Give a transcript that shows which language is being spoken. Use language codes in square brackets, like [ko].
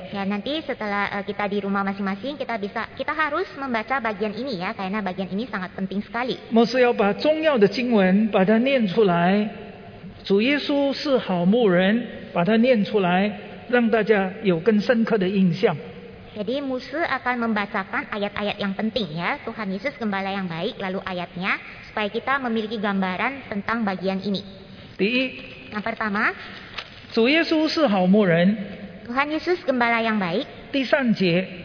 [id] Ya, nanti setelah kita di rumah masing-masing, kita harus membaca bagian ini ya, karena bagian ini sangat penting sekali. [zh] 牧师要把重要的经文把它念出来，主耶稣是好牧人，把它念出来，让大家有更深刻的印象。 [id] Jadi Musa akan membacakan ayat-ayat yang penting ya, Tuhan Yesus gembala yang baik, lalu ayatnya supaya kita memiliki gambaran tentang bagian ini. Yang pertama, [zh] 主耶稣是好牧人。 [id] Tuhan Yesus gembala yang baik. [zh] 第三节,